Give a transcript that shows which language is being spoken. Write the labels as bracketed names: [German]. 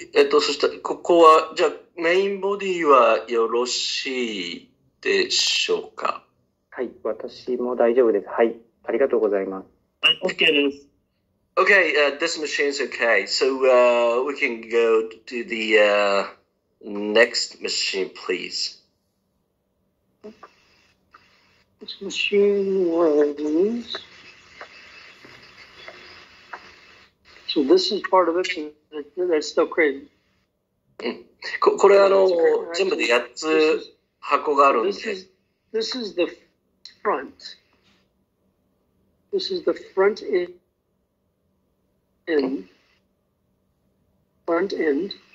[Japanese] そしたら、ここは、じゃあ、メインボディはよろしいでしょうか? はい。私も大丈夫です。はい。ありがとうございます。はい。OK です。 [English] OK、this machine's okay. So, we can go to the, next machine, please. This machine was... So this is part of it, and that's still crazy. [Japanese] これ、全部で8つ箱があるんで。 [English] This is the front. This is the front end. Front end.